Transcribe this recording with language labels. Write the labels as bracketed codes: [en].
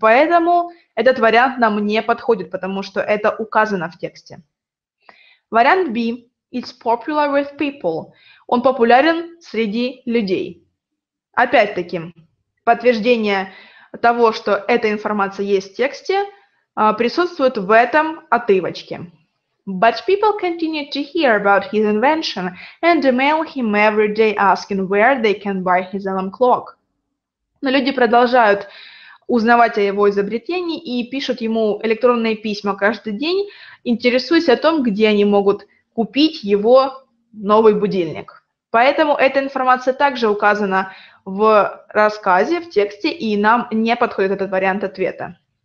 [ru] Поэтому этот вариант нам не подходит, потому что это указано в тексте. Вариант B. [en] It's popular with people. [ru] Он популярен среди людей. Опять-таки, подтверждение того, что эта информация есть в тексте, присутствует в этом отрывочке. [en] But people continue to hear about his invention and email him every day asking where they can buy his alarm clock. [ru] Но люди продолжают узнавать о его изобретении и пишут ему электронные письма каждый день, интересуясь о том, где они могут купить его новый будильник. Поэтому эта информация также указана в рассказе, в тексте, и нам не подходит этот вариант ответа.